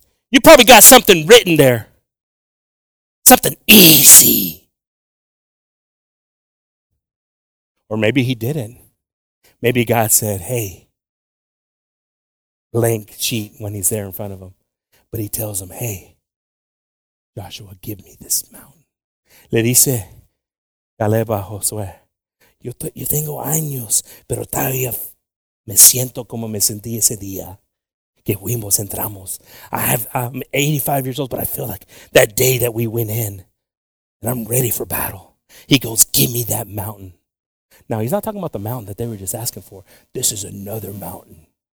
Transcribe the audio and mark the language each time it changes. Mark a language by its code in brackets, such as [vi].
[en] You probably got something written there. Something easy. Or maybe he didn't. Maybe God said, hey, blank sheet when he's there in front of him. But he tells him, hey, Joshua, give me this mountain. [es] Le dice, Caleb a Josué, yo tengo años, pero todavía me siento como me sentí ese día. Que fuimos, entramos. [en] I'm 85 years old, but I feel like that day that we went in, and I'm ready for battle. He goes, give me that mountain. Now, he's not talking about the mountain that they were just asking for. This is another mountain.